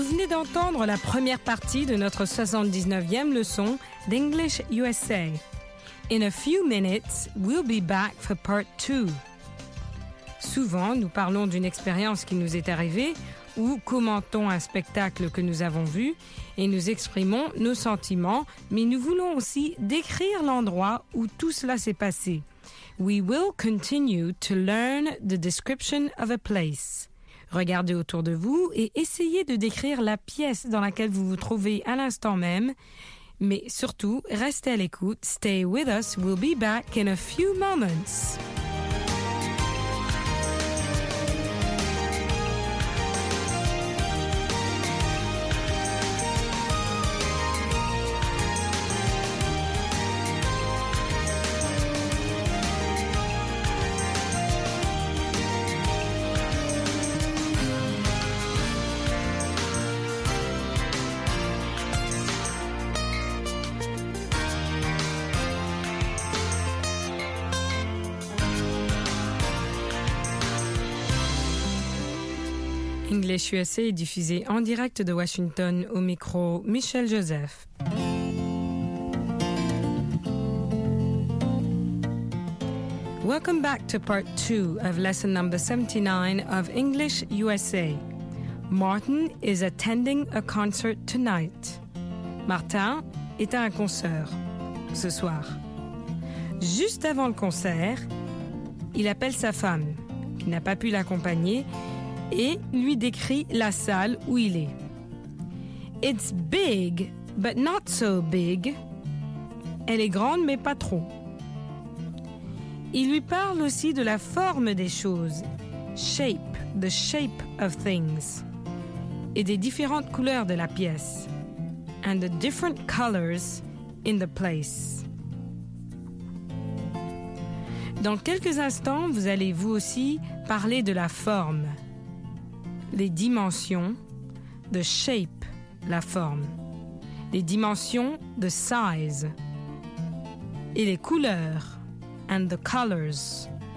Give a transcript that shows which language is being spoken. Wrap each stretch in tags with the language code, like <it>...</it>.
<fr>d'entendre la première partie de notre 79e leçon d'English USA.</fr> <en>In a few minutes, we'll be back for part 2.</en> <fr>Souvent, nous parlons d'une expérience qui nous est arrivée ou commentons un spectacle que nous avons vu et nous exprimons nos sentiments, mais nous voulons aussi décrire l'endroit où tout cela s'est passé.</fr> <en>We will continue to learn the description of a place.</en> <fr>Regardez autour de vous et essayez de décrire la pièce dans laquelle vous vous trouvez à l'instant même. Mais surtout, restez à l'écoute.</fr> <en>Stay with us. We'll be back in a few moments.</en> <fr>English USA est diffusé en direct de Washington au micro Michel Joseph.</fr> <en>Welcome back to part 2 of lesson number 79 of English USA. Martin is attending a concert tonight.</en> <fr>Martin est à un concert ce soir. Juste avant le concert, il appelle sa femme, qui n'a pas pu l'accompagner, et lui décrit la salle où il est.</fr> <en>It's big, but not so big.</en> <fr>Elle est grande, mais pas trop. Il lui parle aussi de la forme des choses.</fr> <en>Shape, the shape of things.</en> <fr>Et des différentes couleurs de la pièce.</fr> <en>And the different colors in the place.</en> <fr>Dans quelques instants, vous allez vous aussi parler de la forme. Les dimensions,</fr> <en>the shape,</en> <fr>la forme. Les dimensions,</fr> <en>the size.</en> <fr>Et les couleurs,</fr> <en>and the colors.</en>